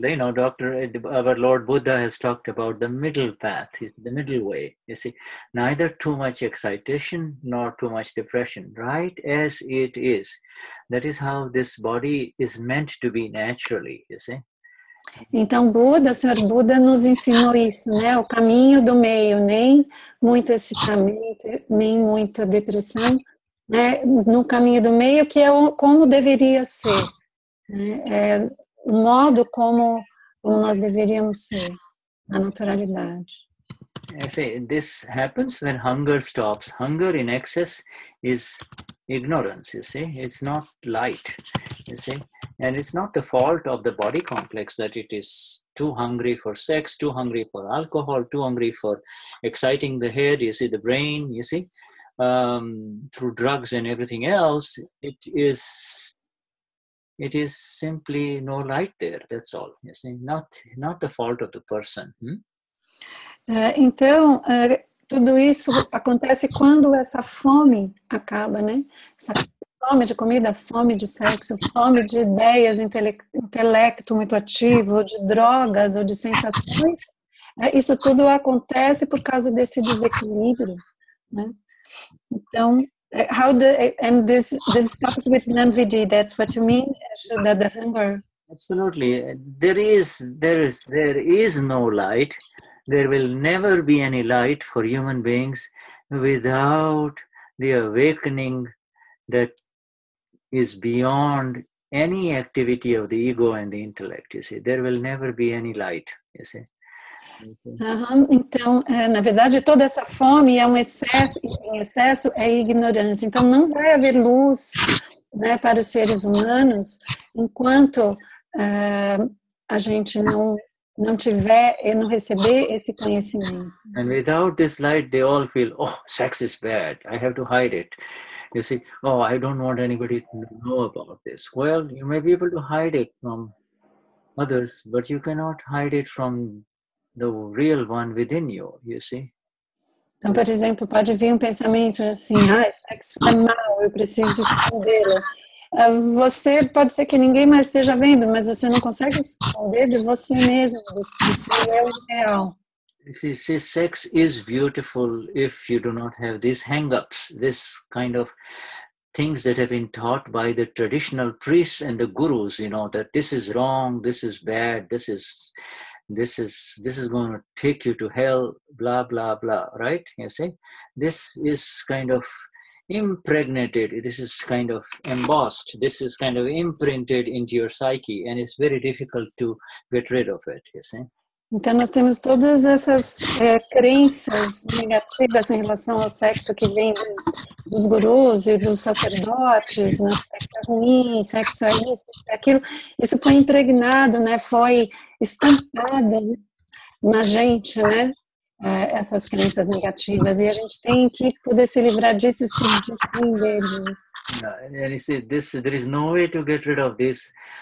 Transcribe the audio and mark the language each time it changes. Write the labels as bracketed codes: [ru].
[en] You know, our Lord Buddha has talked about the middle path, the middle way. You see, neither too much excitation nor too much depression, right as it is. That is how this body is meant to be naturally, you see. [pt] Então, Buda, Senhor Buda nos ensinou isso, né? O caminho do meio, nem muito excitamento, nem muita depressão, né? No caminho do meio, que é como deveria ser. O modo como nós deveríamos ser, a naturalidade. [en] I say, this happens when hunger stops. Hunger in excess is ignorance, you see. It's not light, you see. And it's not the fault of the body complex that it is too hungry for sex, too hungry for alcohol, too hungry for exciting the head, you see, the brain, you see. Through drugs and everything else, it is simply no light there, that's all. You see? Not the fault of the person. Hmm? [pt] Então, tudo isso acontece quando essa fome acaba, né? Essa fome de comida, fome de sexo, fome de ideias, intelecto muito ativo, de drogas ou de sensações. Isso tudo acontece por causa desse desequilíbrio, né? Então... [en] How this starts with Gnan Vidhi, that's what you mean, Shuddha, the hunger? Absolutely. There is no light. There will never be any light for human beings without the awakening that is beyond any activity of the ego and the intellect, you see. There will never be any light, you see. Uhum. [pt] Então, na verdade, toda essa fome é um excesso, em excesso é ignorância. Então, não vai haver luz, né, para os seres humanos enquanto a gente não tiver e não receber esse conhecimento. [en] And without this light, they all feel, oh, sex is bad, I have to hide it. You see, oh, I don't want anybody to know about this. Well, you may be able to hide it from others, but you cannot hide it from the real one within you, you see. [pt] Então, por exemplo, pode vir um pensamento assim, ah, sexo é mal, eu preciso escondê-lo. Você pode ser que ninguém mais esteja vendo, mas você não consegue esconder de você mesmo, do seu eu real. [en] See, sex is beautiful if you do not have these hang-ups, this kind of things that have been taught by the traditional priests and the gurus, you know, that this is wrong, this is bad, this is going to take you to hell, blah, blah, blah, right? You see? This is kind of impregnated, this is kind of embossed, this is kind of imprinted into your psyche, and it's very difficult to get rid of it, you see? [pt] Então, nós temos todas essas crenças negativas em relação ao sexo que vem dos gurus e dos sacerdotes, né? Sexo é ruim, sexo é isso, é aquilo. Isso foi impregnado, né? Foi estampado, né, na gente, né? Essas crenças negativas. E a gente tem que poder se livrar disso e se desprender disso. [en] And you see, there is no way to get rid of this.